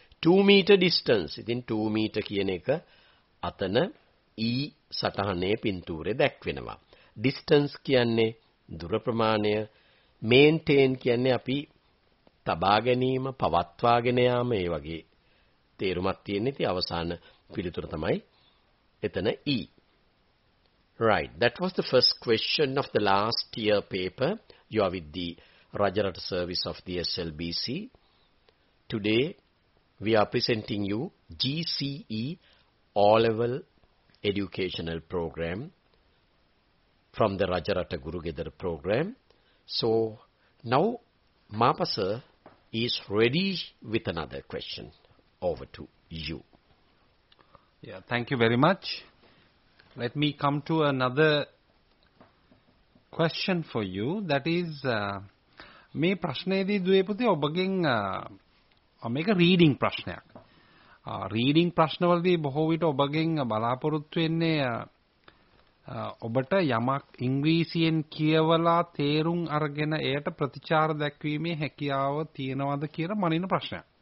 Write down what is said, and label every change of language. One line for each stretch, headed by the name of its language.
English: 2m distance.
Sinhala: ඉතින් 2m කියන එක අතන E සටහනේ පින්තූරේ දැක්වෙනවා. Distance කියන්නේ දුර ප්‍රමාණය. Maintain කියන්නේ අපි තබා ගැනීම, පවත්වාගෙන යාම. ඒ වගේ තේරුමක් තියෙන ඉතින් අවසාන පිළිතුර තමයි එතන E.
English: Right. That was the first question of the last year paper. You are with the Rajarata service of the SLBC. Today, we are presenting you GCE All-Level Educational Program from the Rajarata Guru Gedar program. So, now, Mapa sir is ready with another question. Over to you. Yeah, thank you very much. Let me come to another question for you. That is,
Sinhala: මේ ප්‍රශ්නේදී දුවේ පුතේ ඔබගෙන් මේක reading ප්‍රශ්නයක්. Reading ප්‍රශ්නවලදී බොහෝ විට ඔබගෙන් බලාපොරොත්තු වෙන්නේ ඔබට යමක් ඉංග්‍රීසියෙන් කියවලා තේරුම් අරගෙන එයට ප්‍රතිචාර දැක්වීමේ හැකියාව තියෙනවද කියලා මනින ප්‍රශ්නය.